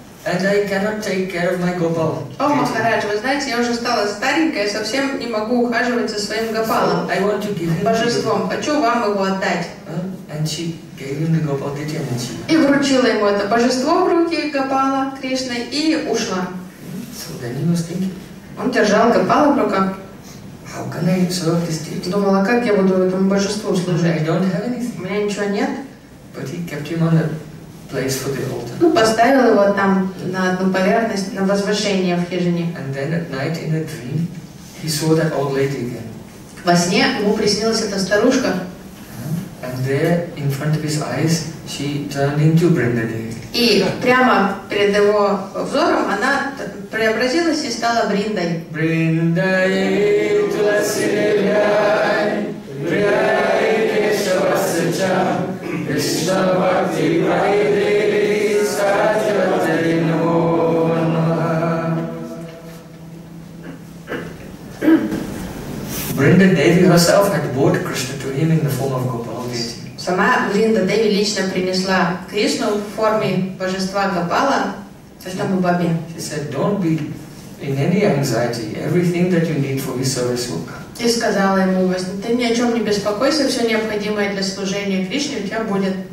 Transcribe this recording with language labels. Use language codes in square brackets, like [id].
[en] And I cannot take care of my Gopal. [ru] О, Махарадж, вы знаете, я уже стала старенькая, совсем не могу ухаживать за своим Гопалом. [en] I want to give him. [ru] Божеством, хочу вам его отдать. [en] And she gave him the Gopal Ditya. [ru] И вручила ему это божество в руки Гопала Кришны и ушла. [en] So then he was thinking. [ru] Он держал Гопала в руках. [en] How can I serve this Ditya? [ru] Думала, как я буду этому божеству служить? [en] I don't have anything. [ru] У меня ничего нет. [en] But he kept him on the place for the altar. [ru] Ну, поставил его там на одну поверхность, на возвышение в хижине. [en] And then at night in a dream, he saw that old lady again. [ru] Во сне ему приснилась эта старушка. [en] And there, in front of his eyes, she turned into Brindade. [ru] И прямо перед его взором она преобразилась и стала Бриндой. [sa] Бриндае тласилияй, бриае кешавасача, [en] Brinda Devi herself had brought Krishna to him in the form of Gopala Deity. [ru] Сама Бринда Деви лично принесла Кришну в форме божества Гопала Саштамбу Бабе. [en] She said, "Don't be in any anxiety. Everything that you need for this service will come." [ru] И сказала ему: ты ни о чем не беспокойся, все необходимое для служения Кришне у тебя будет.